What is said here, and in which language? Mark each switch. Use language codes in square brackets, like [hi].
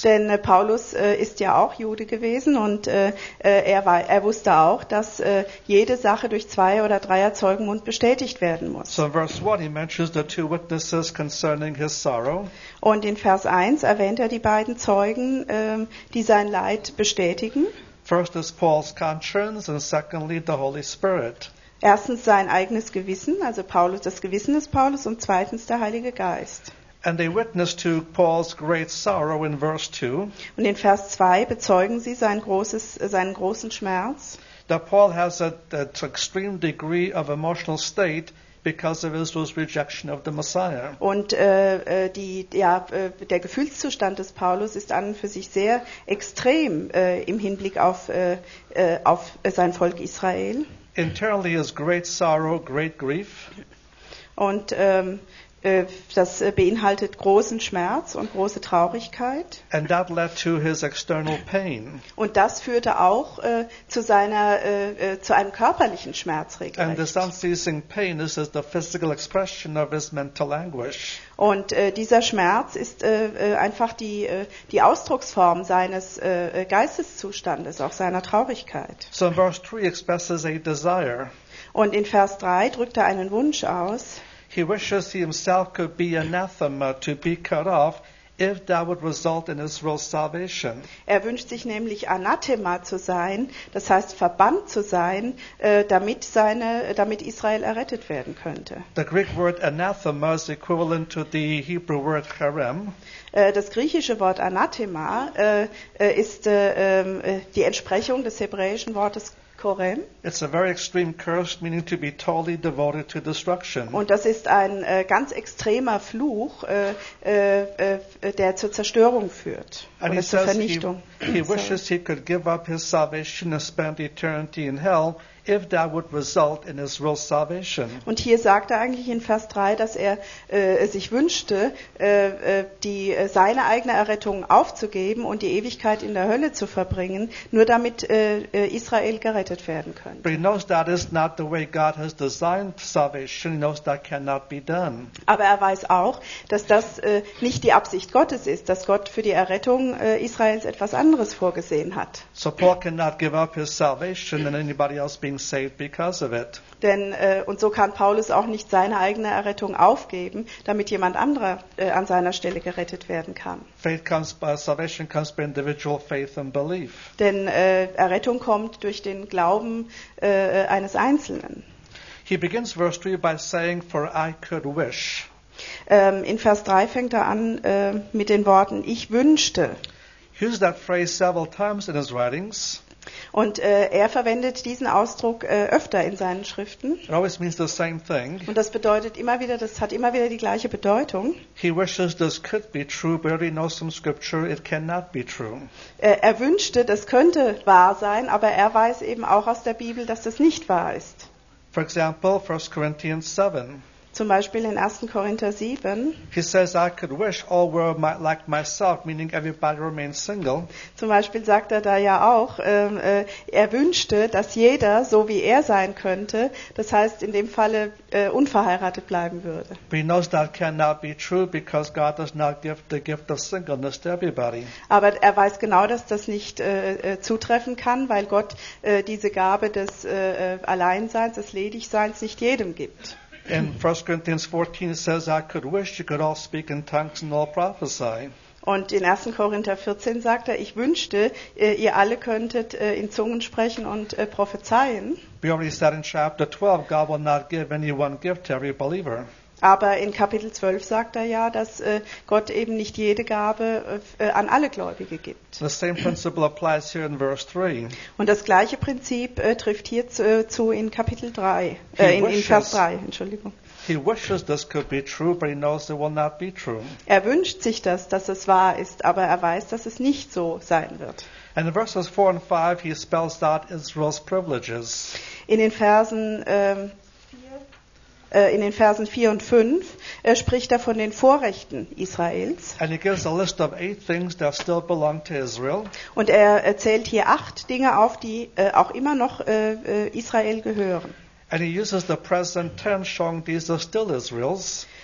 [de] Denn Paulus ist ja auch Jude gewesen und er wusste auch, dass jede Sache durch zwei oder dreier Zeugenmund bestätigt werden muss. [en] So in verse 1 he mentions the two witnesses concerning his sorrow. [de] Und in Vers 1 erwähnt er die beiden Zeugen, die sein Leid bestätigen. [en] First is Paul's conscience and secondly the Holy Spirit. [de] Erstens sein eigenes Gewissen, also Paulus, das Gewissen des Paulus, und zweitens der Heilige Geist. [en] And they witness to Paul's great sorrow in verse 2. [de] Und in Vers 2 bezeugen sie seinen großen Schmerz. [en] That Paul has an extreme degree of emotional state because of Israel's rejection of the Messiah. [de] Und der Gefühlszustand des Paulus ist an und für sich sehr extrem im Hinblick auf sein Volk Israel. [en] Internally is great sorrow, great grief. [de] Und das beinhaltet großen Schmerz und große Traurigkeit. [en] And that led to his external pain. [de] Und das führte auch zu einem körperlichen Schmerz regelrecht. [en] And this unceasing pain is the physical expression of his mental anguish. [de] Und dieser Schmerz ist einfach die Ausdrucksform seines Geisteszustandes, auch seiner Traurigkeit. [en] So in verse 3 expresses a desire. [de] Und in Vers 3 drückt er einen Wunsch aus. [en] He wishes he himself could be anathema, to be cut off, if that would result in Israel's salvation. [de] Er wünscht sich nämlich anathema zu sein, das heißt verbannt zu sein, damit Israel errettet werden könnte. [en] The Greek word anathema is equivalent to the Hebrew word cherem. [de] Das griechische Wort anathema ist die Entsprechung des hebräischen Wortes Korem. [en] It's a very extreme curse, meaning to be totally devoted to destruction. [de] Und das ist ein ganz extremer Fluch, der zur Zerstörung führt [en] and [de] oder [en] he [de] zur [en] says [de] Vernichtung. [en] He wishes he could give up his salvation and spend eternity in hell, if that would result in Israel's salvation. [de] Und hier sagt er eigentlich in Vers 3, dass er sich wünschte, seine eigene Errettung aufzugeben und die Ewigkeit in der Hölle zu verbringen, nur damit Israel gerettet werden könnte. [en] But he knows that is not the way God has designed salvation. He knows that cannot be done. [de] Aber er weiß auch, dass das nicht die Absicht Gottes ist, dass Gott für die Errettung Israels etwas anderes vorgesehen hat. [en] So Paul cannot give up his salvation and anybody else being saved because of it. [de] Denn und so kann Paulus auch nicht seine eigene Errettung aufgeben, damit jemand anderer an seiner Stelle gerettet werden kann. [en] Faith comes by, salvation comes by individual faith and belief. [de] Denn Errettung kommt durch den Glauben eines Einzelnen. [en] He begins verse 3 by saying, "For I could wish." [de] In Vers 3 fängt er an mit den Worten, "Ich wünschte." [en] He used that phrase several times in his writings. [de] Und er verwendet diesen Ausdruck öfter in seinen Schriften. [en] It always means the same thing. [de] Und das bedeutet immer wieder, das hat immer wieder die gleiche Bedeutung. [en] He wishes this could be true, but he knows from scripture it cannot be true. [de] Er wünschte, das könnte wahr sein, aber er weiß eben auch aus der Bibel, dass das nicht wahr ist. [en] For example, 1 Corinthians 7. [de] Zum Beispiel in 1. Korinther 7. [en] He says, I could wish all were like myself, meaning everybody remains single. [de] Zum Beispiel sagt er da ja auch, er wünschte, dass jeder so wie er sein könnte, das heißt in dem Falle unverheiratet bleiben würde. [en] But he knows that cannot be true because God does not give the gift of singleness to everybody. [de] Aber er weiß genau, dass das nicht zutreffen kann, weil Gott diese Gabe des Alleinseins, des Ledigseins nicht jedem gibt. [en] In 1 Corinthians 14 it says, I could wish you could all speak in tongues and all prophesy. [de] Und in 1. Korinther 14 sagt er, ich wünschte, ihr alle könntet in Zungen sprechen und prophezeien. [en] We already said in chapter 12, God will not give any one gift to every believer. [de] Aber in Kapitel 12 sagt er ja, dass Gott eben nicht jede Gabe an alle Gläubige gibt. [en] The same principle applies here in verse 3. [de] Und das gleiche Prinzip trifft hier zu in Kapitel 3, in Vers 3, Entschuldigung. [en] He wishes this could be true, but he knows it will not be true. [de] Er wünscht sich das, dass es wahr ist, aber er weiß, dass es nicht so sein wird. [en] And in verses 4 and 5 he spells out Israel's privileges. [de] In den Versen in den Versen 4 und 5 spricht er von den Vorrechten Israels. [en] And he gives a list of 8 things that still belong to Israel. [de] Und er zählt hier 8 Dinge auf, die auch immer noch Israel gehören. [en] And he uses the present tense showing these are still Israel's.